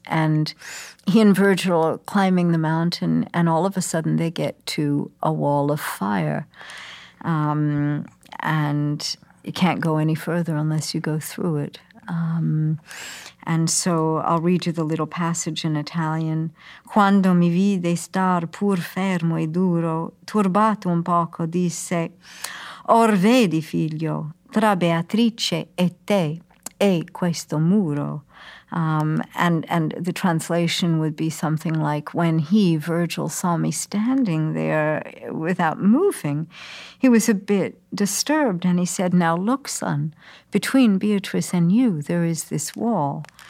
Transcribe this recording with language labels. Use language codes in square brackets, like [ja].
[en] And he and Virgil are climbing the mountain, and all of a sudden they get to a wall of fire. And you can't go any further unless you go through it. And so I'll read you the little passage in Italian. [it] Quando mi vide star pur fermo e duro, turbato un poco, disse, or vedi, figlio, tra Beatrice e te, e questo muro. [en] And the translation would be something like, when he, Virgil, saw me standing there without moving, he was a bit disturbed, and he said, now look, son, between Beatrice and you, there is this wall.